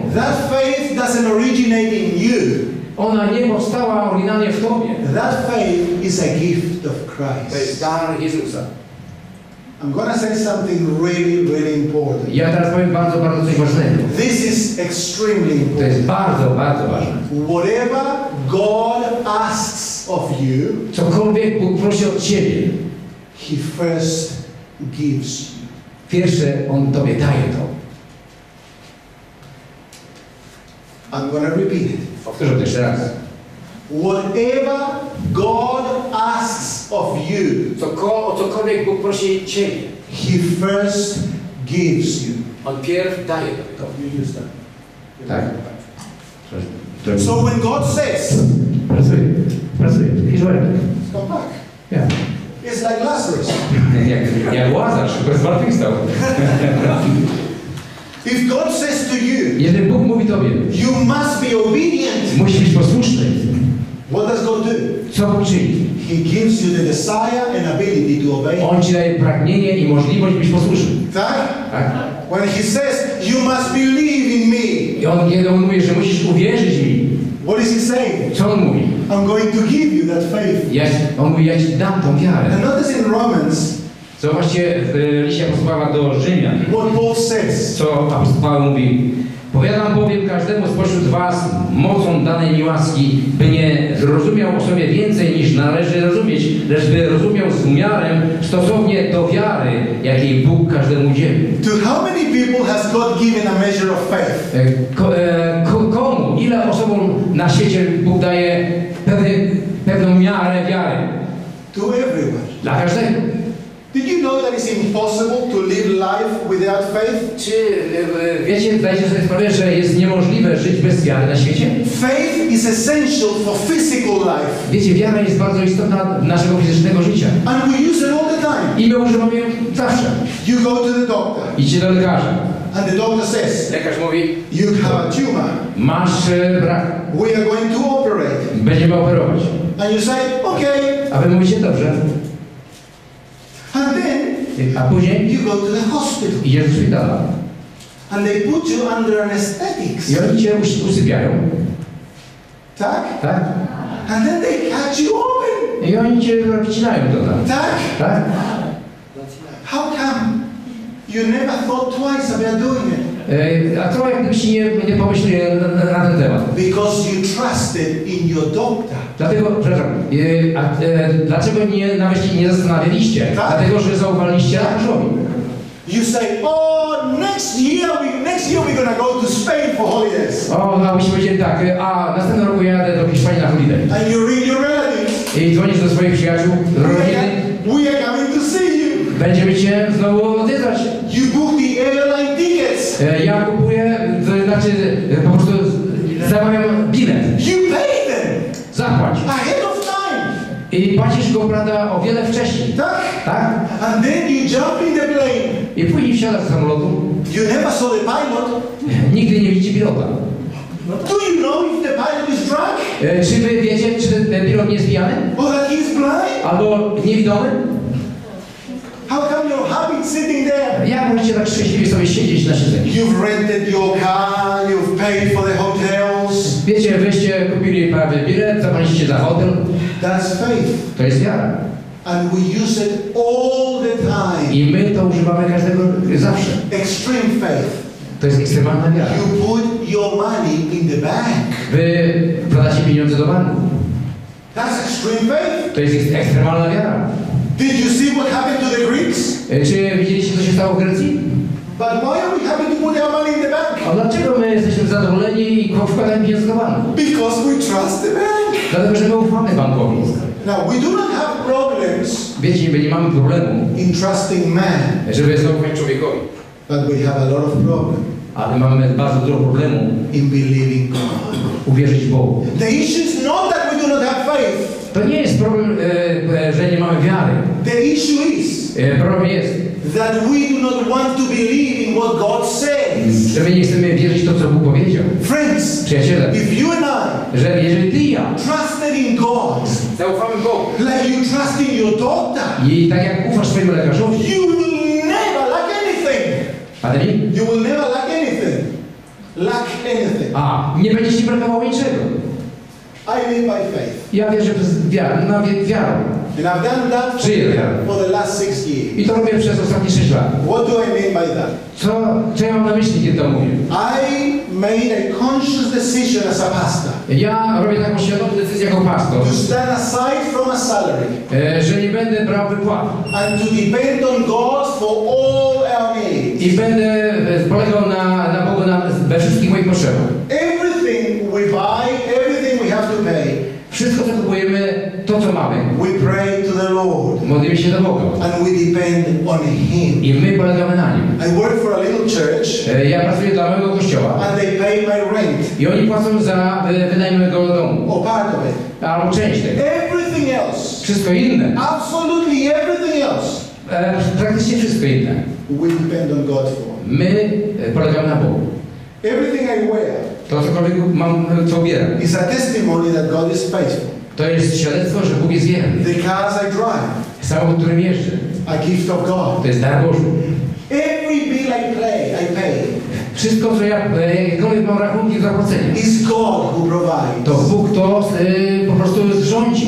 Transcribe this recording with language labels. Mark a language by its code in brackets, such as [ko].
[en] That faith doesn't originate in you. [pl] Ona nie powstała oryginalnie w tobie. [en] That faith is a gift of Christ. [pl] To jest dar Jezusa. [en] I'm gonna say something really, really important. [pl] Ja teraz powiem bardzo, bardzo coś ważnego. [en] This is extremely important. [pl] To jest bardzo, bardzo ważne. [en] Whatever God asks of you, [pl] cokolwiek Bóg prosi od ciebie, [en] He first gives. [pl] Pierwsze On tobie daje to. [en] I'm going to repeat it. [pl] Powtórzę to jeszcze raz. [en] Whatever God asks of you, [pl] cokolwiek Bóg prosi ciebie, [en] He first gives you. [pl] On pierw daje to. [en] You use that. [pl] Tak. [en] So when God says, [pl] pracuj, [en] he's ready. Let's come back. Yeah. It's like Lazarus. [pl] Jak Łazarz, który zmartwychwstał. [en] If God says to you, [pl] jeżeli Bóg mówi tobie, [en] you must be obedient. [pl] Musisz być posłuszny. [en] What does God do? [pl] Co Bóg czyni? [en] He gives you the desire and ability to obey. [pl] On ci daje pragnienie i możliwość być posłuszny. Tak? Tak? [en] When He says, you must believe in me. [pl] I on kiedy on mówi, że musisz uwierzyć mi. [en] What is He saying? [pl] Co on mówi? [en] I'm going to give you that faith. Yes. [pl] On mówi, ja ci dam tą wiarę. [en] And notice in Romans. [pl] Co właśnie w liście posłała do Rzymian. Co apostoł Paweł mówi. Powiadam bowiem każdemu spośród was mocą danej mi łaski, by nie zrozumiał o sobie więcej niż należy rozumieć, lecz by rozumiał z umiarem stosownie do wiary, jakiej Bóg każdemu udzielił. [en] To how many people has God given a measure of faith? [pl] Komu? Ile osobom na świecie Bóg daje pewną miarę wiary? [en] To everyone. [pl] Dla każdego. [en] Did you know that it's impossible to live life without faith? [pl] Czy wiecie, zdajecie sobie sprawę, że jest niemożliwe żyć bez wiary na świecie? [en] Faith is essential for physical life. [pl] Wiecie, wiara jest bardzo istotna naszego fizycznego życia. [en] And we use it all the time. [pl] I my używamy ją zawsze. [en] You go to the doctor. [pl] Idzie do lekarza. [en] And the doctor says. [pl] Lekarz mówi. [en] You have a tumor. [pl] Masz brak. [en] We are going to operate. [pl] Będziemy operować. [en] And you say, okay. [pl] A wy mówicie, dobrze. [en] And then, [pl] a później [en] you go to the hospital. [pl] Idziesz do szpitala. [en] And they put you under anesthetics. [pl] I oni cię usypiają. Tak? Tak. [en] And then they catch you open. [pl] I oni cię wycinają to tam. Tak? Tak. [en] How come you never thought twice about doing it? [pl] A to jakbyś nie pomyślał na ten temat. [en] Because you trusted in your doctor. [pl] Dlatego, przepraszam, dlaczego nie, na myśli nie zastanawialiście? Tak? Dlatego, że zaufaliście lekarzowi. [en] You say, oh, next year we're gonna go to Spain for holidays. [pl] O, no, myśmy powiedzieli tak, a następny rok jadę do Hiszpanii na holiday. [en] And you ring your relatives. [pl] I dzwonisz do swoich przyjaciół, do rodziny. [en] We are coming to see you. [pl] Będziemy cię znowu odwiedzać. [en] You book the airline tickets. [pl] Ja kupuję, to znaczy po prostu zamawiam bilet. [en] You pay them. [pl] Zapłać. [en] Ahead of time. [pl] I płacisz go, prawda, o wiele wcześniej. Tak. Tak. [en] And then you jump in the plane. [pl] I później wsiadasz do samolotu. [en] You never saw the pilot. [pl] Nigdy nie widzi pilota. [en] Do you know if the pilot is drunk? [pl] Czy wy wiecie, czy ten pilot nie jest pijany? [en] Or that he is blind? [pl] Albo niewidomy? [en] How come your habit sitting there? [pl] Jak możecie tak szczęśliwie sobie siedzieć na siedzeniu? [en] You've rented your car, you've paid for the hotels. [pl] Wiecie, wyście kupili prawie bilet, zapłaciliście za hotel. [en] That's faith. [pl] To jest wiara. [en] And we use it all the time. [pl] I my to używamy każdego zawsze. [en] Extreme faith. [pl] To jest ekstremalna wiara. [en] You put your money in the bank. [pl] Wy wkładacie pieniądze do banku. [en] That's extreme faith. [pl] To jest ekstremalna wiara. [en] Did you see what happened to the Greeks? [pl] Czy widzieliście, co się stało w Grecji? [en] But why are we happy to put our money in the bank? [pl] A dlaczego my jesteśmy zadowoleni i wkładamy pieniądze do banku? [en] Because we trust the bank. [pl] Dlatego, że my ufamy bankowi. [en] Now we do not have problems. [pl] Wiecie, my nie mamy problemu. [en] In trusting man. [pl] Żeby zaufać człowiekowi. [en] But we have a lot of problems. [pl] Ale mamy bardzo dużo problemu. [en] In believing God. [pl] Uwierzyć Bogu. [en] The issue is not that we do not have faith. [pl] To nie jest problem, że nie mamy wiary. [en] The issue is. [pl] Problem jest. [en] That we do not want to believe in what God says. [pl] Że my nie chcemy wierzyć to, co Bóg powiedział. [en] Friends, [pl] przyjaciele, [en] if you and I, [pl] że jeżeli ty i ja [en] trusted in God, [pl] zaufamy Bogu, [en] like you trust in your doctor, [pl] i tak jak ufasz swojemu lekarzowi, [en] you will never lack anything. Padre? You will never lack anything. Lack anything. [pl] A nie będziesz ci brakowało niczego. [en] I live by faith. [pl] Ja wierzę przez wiarę, nawet wiarę. [en] And I've done that for the last 6 years. [pl] I to robię przez ostatnie 6 lat. [en] What do I mean by that? [pl] Co ja mam na myśli, kiedy to mówię? [en] I made a conscious decision as a pastor. [pl] Ja robię taką świadomą decyzję jako pastor. [en] To stand aside from a salary. [pl] Że nie będę brał wypłat. [en] And to depend on God for all our needs. [pl] I będę polegał na Bogu we wszystkich moich potrzebach. [en] Everything we buy, everything we have to pay. [pl] Wszystko, co kupujemy, to, co mamy. [en] We pray to the Lord. [pl] Modlimy się do Boga. [en] And we depend on Him. [pl] I my polegamy na Nim. [en] I work for a little church. [pl] Ja pracuję dla mojego kościoła. [en] And they pay my rent. [pl] I oni płacą za wynajem mojego domu. [en] Or part of it. [pl] Albo część tego. [en] Everything else. [pl] Wszystko inne. [en] Absolutely everything else. [pl] Praktycznie wszystko inne. [en] We depend on God for. [pl] My polegamy na Bogu. [en] Everything I wear. [pl] To cokolwiek mam, co ubieram. [en] It's a testimony that God is faithful. [pl] To jest świadectwo, że Bóg jest wierny. [en] The cars I drive. [pl] Samochód, którym jeżdżę. [en] A gift of God. [pl] To jest dar Boży. [en] Every bill I pay. [pl] Wszystko, co ja, jakkolwiek mam rachunki do zapłacenia. [en] It's God who provides. [pl] To Bóg to po prostu rządzi.